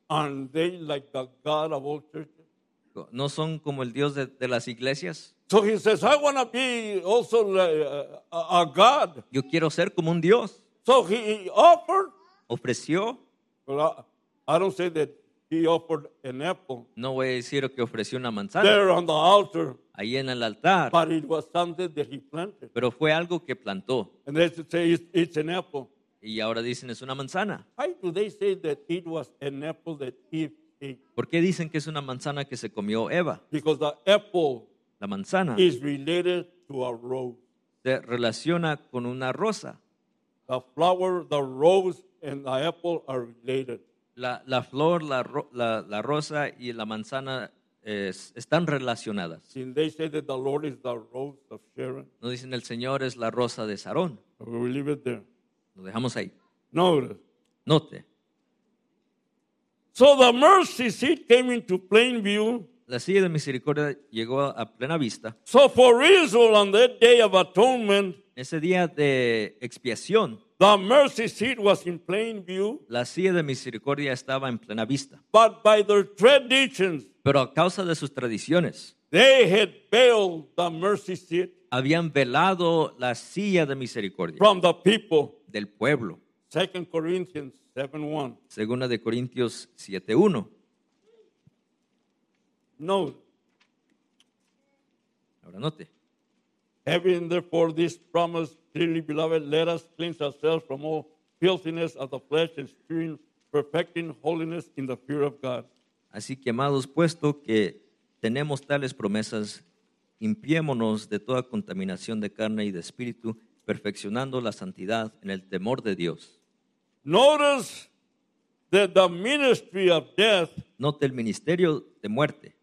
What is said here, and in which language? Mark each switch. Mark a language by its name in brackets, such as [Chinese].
[English] Aren't they like the God of all churches? [Spanish] ¿No son como el Dios de las iglesias? [English] So he says, I want to be also a God. [Spanish] Yo quiero ser como un Dios. [English] So he offered. [Spanish] Ofreció. [English] Well, I don't say that he offered an apple. [Spanish] No voy a decir que ofreció una manzana. [English] There on the altar. [Spanish] Ahí en el altar. [English] But it was something that he planted. [Spanish] Pero fue algo que plantó. [English] And they say it's an apple. [Spanish] Y ahora dicen es una manzana. [English] Why do they say that it was an apple that Eve ate? [Spanish] ¿Por qué dicen que es una manzana que se comió Eva? [English] Because the apple. [Spanish] La manzana [English] is related to a rose. [Spanish] Se relaciona con una rosa. [English] The The flower, the rose, and the apple are related. [Spanish] La flor, la rosa y la manzana están relacionadas. [English] And they say that the Lord is the rose of Sharon. [Spanish] No dicen el Señor es la rosa de Sarón. [English] We leave it there. [Spanish] Lo dejamos ahí. [English] Note. So the mercy seat came into plain view. [Spanish] La silla de misericordia llegó a plena vista. [English] So for Israel on that day of atonement, [Spanish] ese día de expiación, [English] the mercy seat was in plain view. [Spanish] La silla de misericordia estaba en plena vista. [English] But by their traditions, [Spanish] pero a causa de sus tradiciones, [English] they had veiled the mercy seat. [Spanish] Habían velado la silla de misericordia [English] from the people, [Spanish] del pueblo. [English] 2 Corinthians 7:1. [Spanish] Segunda de Corintios 7:1. [English] No. [Spanish] Ahora note. [English] Having therefore this promise, dearly beloved, let us cleanse ourselves from all filthiness of the flesh and spirit, perfecting holiness in the fear of God. [Spanish] Así que, amados, puesto que tenemos tales promesas, limpiémonos de toda contaminación de carne y de espíritu, perfeccionando la santidad en el temor de Dios. [English] Notice that the ministry of death, [Spanish] note el ministerio de muerte,